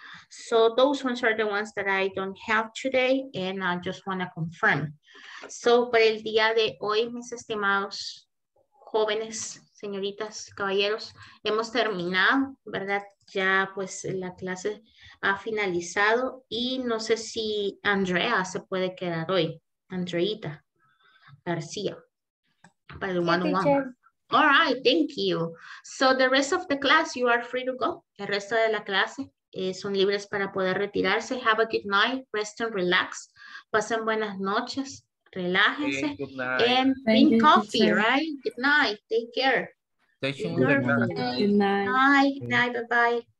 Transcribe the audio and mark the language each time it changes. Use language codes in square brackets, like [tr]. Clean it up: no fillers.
[en] So those ones are the ones that I don't have today and I just want to confirm. [es] So por el día de hoy, mis estimados jóvenes, señoritas, caballeros, hemos terminado, ¿verdad? Ya pues la clase ha finalizado y no sé si Andrea se puede quedar hoy. [en] Andreita García. By the one-on-one. All right, thank you. So the rest of the class, you are free to go. [es] El resto de la clase son libres para poder retirarse. [en] Have a good night, rest and relax. [es] Pasen buenas noches, relájense. [en] Hey, good night. And drink coffee, you, right? Good night, take care. Thank you. Good night. Good night, bye-bye.